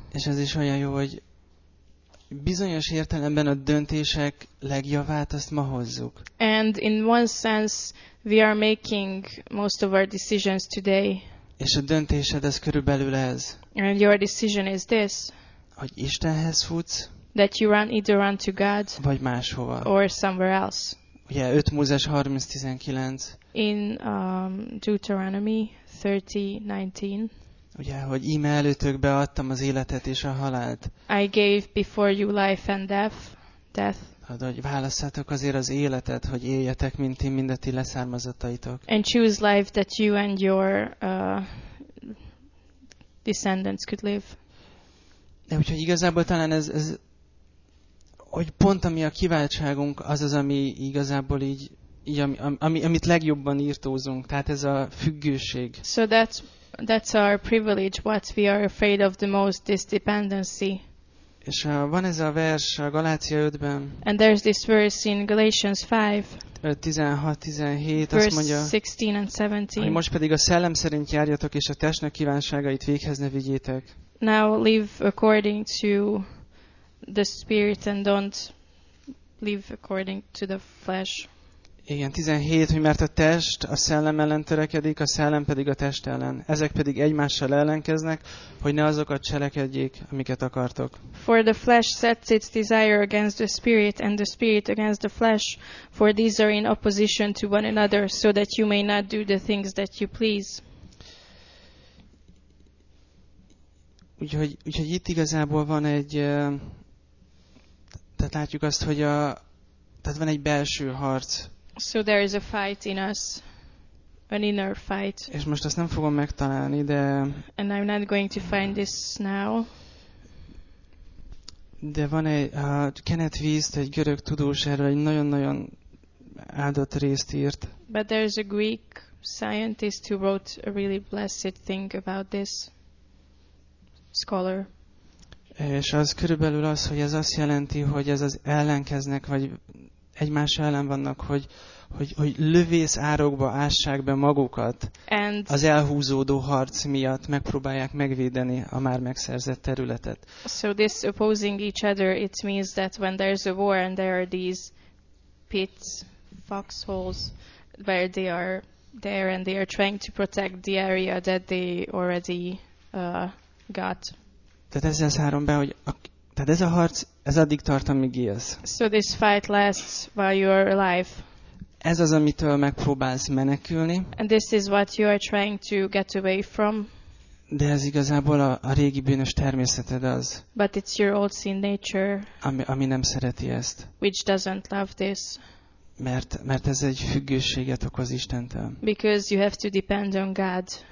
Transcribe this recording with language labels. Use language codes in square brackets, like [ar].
[hu] És ez is olyan jó, hogy bizonyos értelemben a döntések legjavát azt ma hozzuk. [en] And in one sense we are making most of our decisions today. [hu] És a döntésed ez körülbelül ez. [en] And your decision is this. [hu] Hogy Istenhez futsz. [en] That you run either run to God. [hu] Vagy máshova. [en] Or somewhere else. [hu] Ugye 5 Mózes 30:19. [en] In Deuteronomy 30:19. [hu] Ugye, hogy íme előtök beadtam az életet és a halált. [en] I gave before you life and death. [hu] Hát, hogy válasszátok azért az életet, hogy éljetek, mint ti mindeti leszármazottaitok. [en] And choose life that you and your descendants could live. [hu] De úgyhogy igazából talán ez hogy pont ami a kiváltságunk, az, ami igazából így amit legjobban írtózunk. Tehát ez a függőség. [en] So that's our privilege, what we are afraid of the most, this dependency. [hu] És van ez a vers a Galácia 5-ben. [en] And there's this verse in Galatians 5. [hu] 16-17, [en] verse [hu] azt mondja, [en] 16 and 17. [hu] Most pedig a szellem szerint járjatok, és a testnek kívánságait véghez ne vigyétek. [en] Now live according to the spirit and don't live according to the flesh. [hu] Igen, 17, hogy mert a test a szellem ellen törekedik, a szellem pedig a test ellen. Ezek pedig egymással ellenkeznek, hogy ne azokat cselekedjék, amiket akartok. [en] For the flesh sets its desire against the spirit against the flesh, for these are in opposition to one another, so that you may not do the things that you please. [hu] Úgyhogy itt igazából van egy, tehát látjuk azt, hogy tehát van egy belső harc. [en] So there is a fight in us, an inner fight. [hu] És most azt nem fogom megtalálni, de [en] and I'm not going to find this now. [hu] De van egy Kenneth Wiest, egy görög tudós, erről egy nagyon-nagyon áldott részt írt. [en] But there is a Greek scientist who wrote a really blessed thing about this scholar. [hu] És az körülbelül az, hogy ez azt jelenti, hogy ez az ellenkeznek, vagy egymás ellen vannak, hogy lövész árokba ássák be magukat, [en] and [hu] az elhúzódó harc miatt megpróbálják megvédeni a már megszerzett területet. [en] So this opposing each other, it means that when there's a war and there are these pits, foxholes, where they are there and they are trying to protect the area that they already got. [hu] Tehát ez az három be, hogy tehát ez a harc, ez addig tart, amíg élsz. [en] So this fight lasts while you are alive. [hu] Ez az, amitől megpróbálsz menekülni. [en] And this is what you are trying to get away from. [hu] De ez igazából a régi bűnös természeted az. [en] But it's your old sin nature. [hu] Ami nem szereti ezt. [en] Which doesn't love this. [hu] Mert ez egy függőséget okoz Istentől. [en] Because you have to depend on God.